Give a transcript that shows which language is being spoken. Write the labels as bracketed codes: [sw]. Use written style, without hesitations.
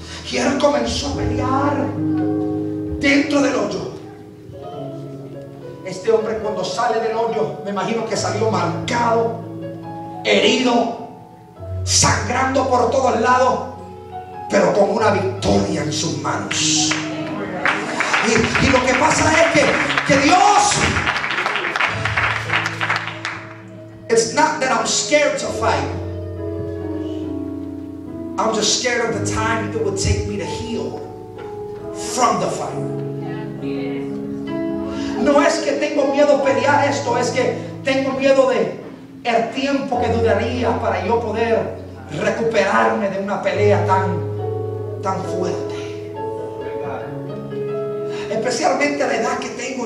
[es] Y él comenzó a pelear dentro del hoyo. Este hombre, cuando sale del hoyo, me imagino que salió marcado, herido, sangrando por todos lados, pero con una victoria en sus manos. Y lo que pasa es que Dios, [en] it's not that I'm scared to fight, I'm just scared of the time it would take me to heal from the fight. [es] No es que tengo miedo a pelear esto, es que tengo miedo de el tiempo que duraría para yo poder recuperarme de una pelea tan fuerte, especialmente a la edad que tengo.